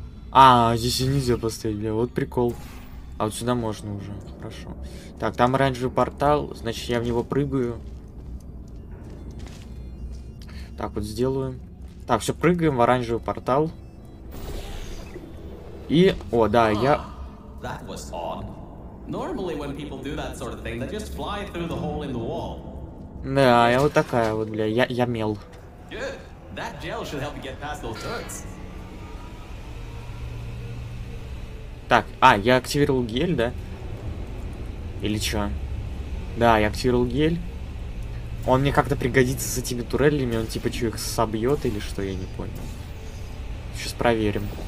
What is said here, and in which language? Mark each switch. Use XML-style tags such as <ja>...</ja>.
<ru>А, здесь я нельзя поставить, бля, вот прикол. А вот сюда можно уже, хорошо. Так, там оранжевый портал, значит, я в него прыгаю. Так, вот сделаем. Так, все, прыгаем в оранжевый портал. И... О, да, я...</ru> <en>That was odd. Normally, when people do that sort of thing, they just fly through the hole in the wall.</en> <ru>Да, я вот такая вот, бля, я мел.</ru> <en>Good. That gel should help you get past those turrets.</en> <ru>Так, а, я активировал гель, да? Или чё? Да, я активировал гель. Он мне как-то пригодится с этими турелями, он типа что, их собьет или что, я не понял. Сейчас проверим.</ru>